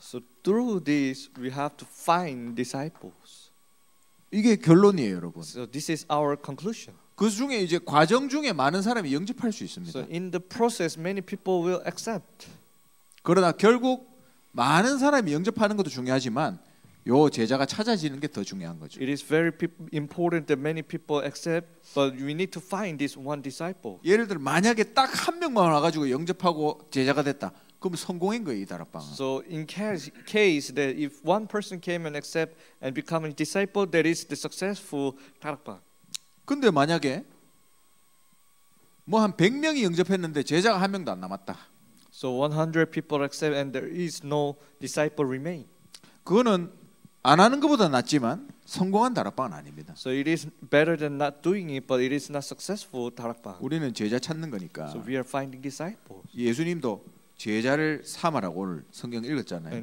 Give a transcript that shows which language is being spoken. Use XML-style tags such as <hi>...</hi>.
<en>So through this we have to find disciples.</en> <ko>이게 결론이에요, 여러분.</ko> <en>So this is our conclusion.</en> <ko>그 중에 이제 과정 중에 많은 사람이 영접할 수 있습니다.</ko> <en>So in the process, many people will accept.</en> <ko>그러나 결국 많은 사람이 영접하는 것도 중요하지만 요 제자가 찾아지는 게 더 중요한 거죠.</ko> <en>It is very important that many people accept, but we need to find this one disciple.</en> <ko>예를 들어 만약에 딱 한 명만 와가지고 영접하고 제자가 됐다. 그럼 성공인 거예요, 이 다락방은.</ko> <en>So in case that if one person came and accept and become a disciple, that is the successful 다락방.</en> <ko>근데 만약에 뭐 한 100명이 영접했는데 제자가 한 명도 안 남았다.</ko> <en>So 100 people accept and there is no disciple remain.</en> <ko>그거는 안 하는 것보다 낫지만 성공한 다락방은 아닙니다.</ko> <en>So it is better than not doing it, but it is not successful 다락방.</en> <ko>우리는 제자 찾는 거니까.</ko> <en>So we are finding disciples.</en> <ko>예수님도 제자를 삼아라고 오늘 성경 읽었잖아요.</ko>